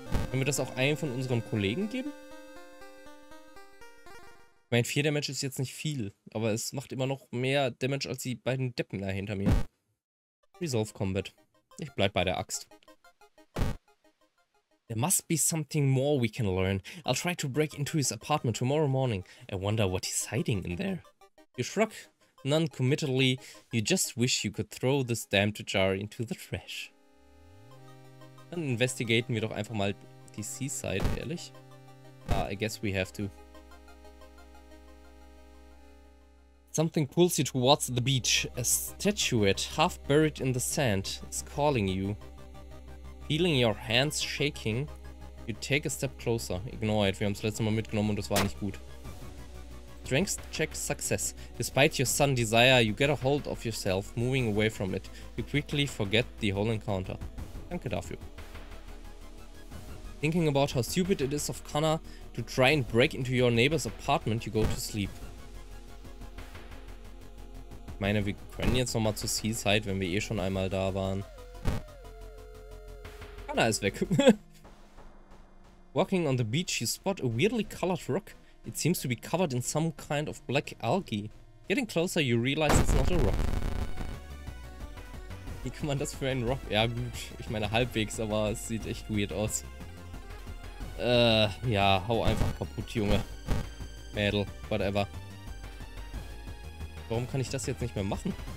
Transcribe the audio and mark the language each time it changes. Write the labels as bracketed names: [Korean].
[German] Können wir das auch einem von unseren Kollegen geben? Ich meine, 4 Damage ist jetzt nicht viel, aber es macht immer noch mehr Damage als die beiden Deppen da hinter mir. Resolve Combat. Ich bleib bei der Axt. [English] There must be something more we can learn. I'll try to break into his apartment tomorrow morning. I wonder what he's hiding in there. You shrug non-committally. You just wish you could throw this damned jar into the trash. [German] Dann investigaten wir doch einfach mal die Seaside, ehrlich. [English] Ah, I guess we have to. Something pulls you towards the beach. A statuette half buried in the sand is calling you. Feeling your hands shaking, you take a step closer. Ignore it, [German] wir haben es letzte Mal mitgenommen und das war nicht gut. [English] Strength check success. Despite your sudden desire, you get a hold of yourself, moving away from it. You quickly forget the whole encounter. [German] Danke dafür. [English] Thinking about how stupid it is of Connor to try and break into your neighbor's apartment, you go to sleep. [German] Ich meine, wir können jetzt nochmal zu Seaside, wenn wir eh schon einmal da waren. Anna ist weg. [English] Walking on the beach, you spot a weirdly colored rock. It seems to be covered in some kind of black algae. Getting closer, you realize it's not a rock. [German] Wie kann man das für einen Rock? Ja gut, ich meine halbwegs, aber es sieht echt weird aus. Ja, hau einfach kaputt, Junge. Mädel, whatever. Warum kann ich das jetzt nicht mehr machen?